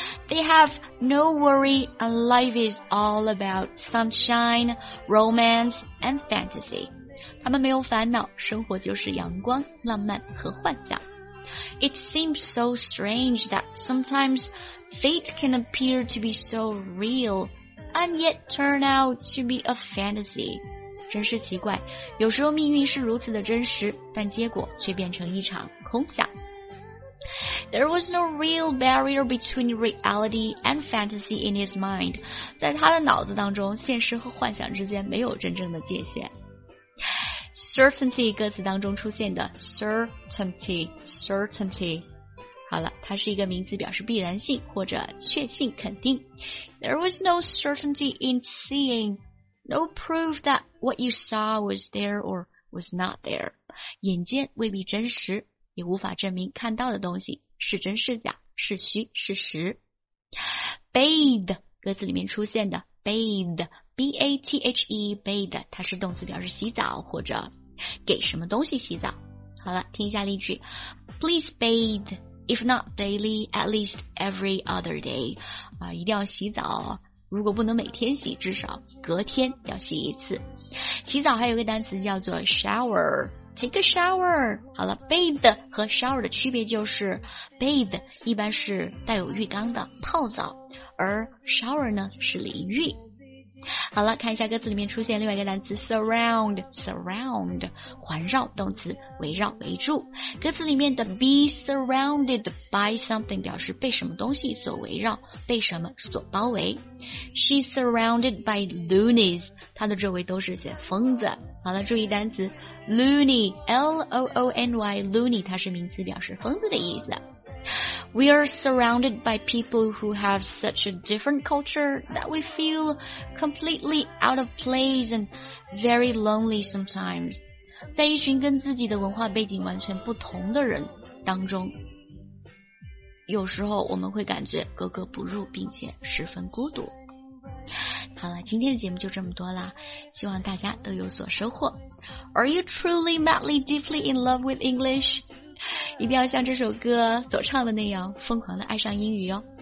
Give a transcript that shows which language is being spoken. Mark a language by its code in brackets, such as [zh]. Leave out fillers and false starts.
[en] They have no worry, and life is all about sunshine, romance, and fantasy。 [zh] 他们没有烦恼，生活就是阳光、浪漫和幻想。 [en] It seems so strange that sometimes fate can appear to be so real. And yet turn out to be a fantasy. [zh] 真是奇怪，有时候命运是如此的真实，但结果却变成一场空想。 [en] There was no real barrier between reality and fantasy in his mind. [zh] 在他的脑子当中，现实和幻想之间没有真正的界限。 Certainty 歌词当中出现的 certainty。好了，它是一个名词，表示必然性或者确信肯定。 [en] There was no certainty in seeing, no proof that what you saw was there or was not there. [zh] 眼见未必真实，也无法证明看到的东西是真是假，是虚是实。 Bathe 歌词里面出现的 bathe，它是动词，表示洗澡或者给什么东西洗澡。好了，听一下例句 ， [en] Please bathe. If not daily, at least every other day. [zh] 一定要洗澡，如果不能每天洗，至少隔天要洗一次。洗澡还有一个单词叫做 shower， [en] take a shower。 [zh] 好了， bathe 和 shower 的区别就是 bathe 一般是带有浴缸的泡澡，而 shower 呢是淋浴。好了，看一下歌词里面出现另外一个单词 surround， surround 环绕，动词围绕围住。歌词里面的 [en] be surrounded by something [zh] 表示被什么东西所围绕，被什么所包围。 [en] She's surrounded by loonies， [zh] 她的周围都是些疯子。好了，注意单词 loony， L-O-O-N-Y， loony 它是名词，表示疯子的意思。 [en] We are surrounded by people who have such a different culture that we feel completely out of place and very lonely sometimes. [zh] 在一群跟自己的文化背景完全不同的人当中，有时候我们会感觉格格不入，并且十分孤独。好了，今天的节目就这么多啦，希望大家都有所收获。 [en] Are you truly, madly, deeply in love with English? [zh] 一定要像这首歌所唱的那样疯狂的爱上英语哦。